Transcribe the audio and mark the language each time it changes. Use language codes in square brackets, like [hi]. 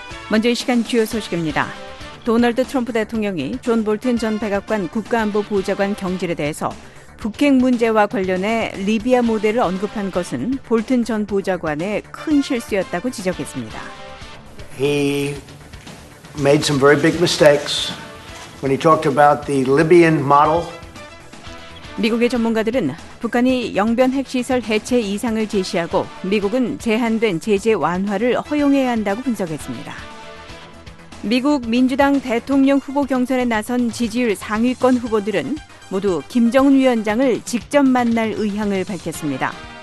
[ko] 먼저 이 시간 주요 소식입니다. 도널드 트럼프 대통령이 존 볼튼 전 백악관 국가안보 보좌관 경질에 대해서 북핵 문제와 관련해 리비아 모델을 언급한 것은 볼튼 전 보좌관의 큰 실수였다고 지적했습니다. [en] He made some very big mistakes when he talked about the Libyan model. [ko] 미국의 전문가들은 북한이 영변 핵시설 해체 이상을 제시하고 미국은 제한된 제재 완화를 허용해야 한다고 분석했습니다. 미국 민주당 대통령 후보 경선에 나선 지지율 상위권 후보들은 모두 김정은 위원장을 직접 만날 의향을 밝혔습니다.